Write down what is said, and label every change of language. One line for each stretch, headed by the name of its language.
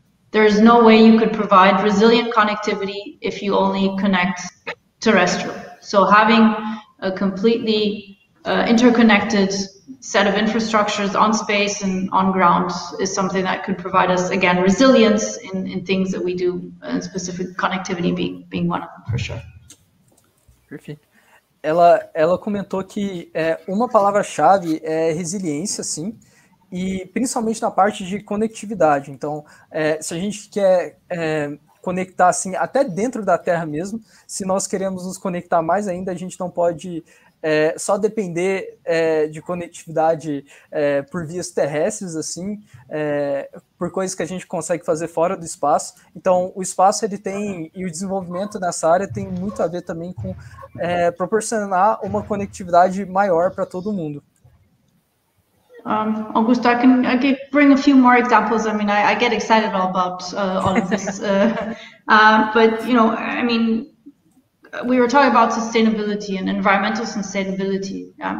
English: There is no way you could provide resilient connectivity if you only connect terrestrial. So having a completely interconnected set of infrastructures on space and on ground is something that could provide us, again, resilience in things that we do, and specific connectivity being one of them, for sure.
Portuguese: Perfeito. Ela comentou que uma palavra-chave é resiliência, sim, e principalmente na parte de conectividade. Então, se a gente quer conectar assim, até dentro da Terra mesmo, se nós queremos nos conectar mais ainda, a gente não pode só depender de conectividade por vias terrestres, assim, por coisas que a gente consegue fazer fora do espaço. Então, o espaço ele tem, e o desenvolvimento nessa área tem muito a ver também com proporcionar uma conectividade maior para todo mundo.
English: Augusto, I can bring a few more examples. I mean, I get excited all about all of this. But, you know, I mean, we were talking about sustainability and environmental sustainability.